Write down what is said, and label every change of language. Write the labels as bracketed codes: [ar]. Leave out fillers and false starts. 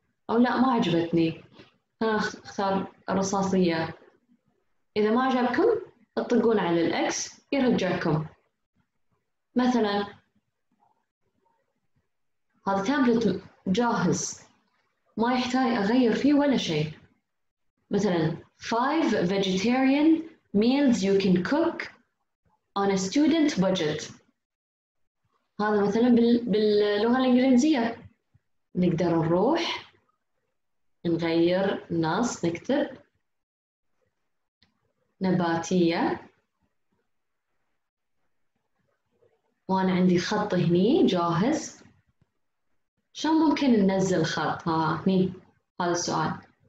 [ar] أو لا ما عجبتني، أنا أختار الرصاصية. إذا ما عجبكم تطقون على الأكس يرجعكم. مثلاً هذا تابلت جاهز ما يحتاج أغير فيه ولا شيء. [en] مثلاً 5 vegetarian meals you can cook on a student budget، [ar] هذا مثلاً باللغة الإنجليزية. نقدر نروح نغير نص، نكتب نباتية، وأنا عندي خط هني جاهز. شلون ممكن ننزل خط؟ ها هني هذا السؤال.